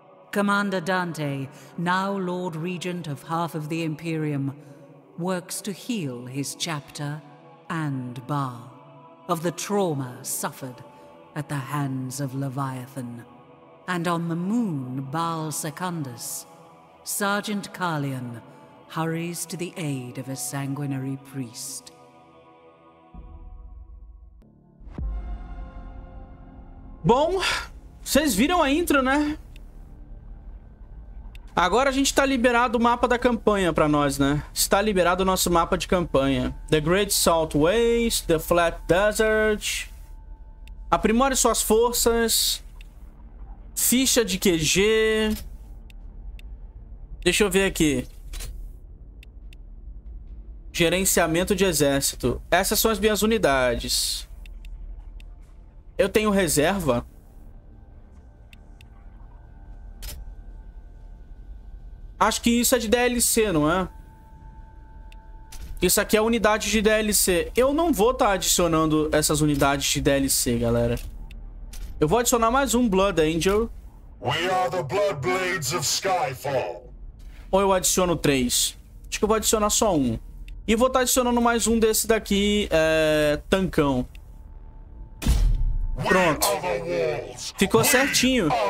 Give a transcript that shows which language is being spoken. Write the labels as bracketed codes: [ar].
[en] Commander Dante, now Lord Regent of half of the Imperium, works to heal his chapter and Baal of the trauma suffered at the hands of Leviathan. And on the moon Baal Secundus, Sergeant Carlion hurries to the aid of a sanguinary priest. [pt] Bom, vocês viram a intro, né? Agora a gente tá liberado o mapa da campanha pra nós, né? Está liberado o nosso mapa de campanha. [en] The Great Salt Waste, The Flat Desert. [pt] Aprimore suas forças. Ficha de QG. Deixa eu ver aqui. Gerenciamento de exército. Essas são as minhas unidades. Eu tenho reserva. Acho que isso é de DLC, não é? Isso aqui é unidade de DLC. Eu não vou estar adicionando essas unidades de DLC, galera. Eu vou adicionar mais um Blood Angel. [en] We are the Blood Blades of Skyfall. [pt] Ou eu adiciono três? Acho que eu vou adicionar só um. E vou estar adicionando mais um desse daqui, tancão. Pronto. Ficou certinho.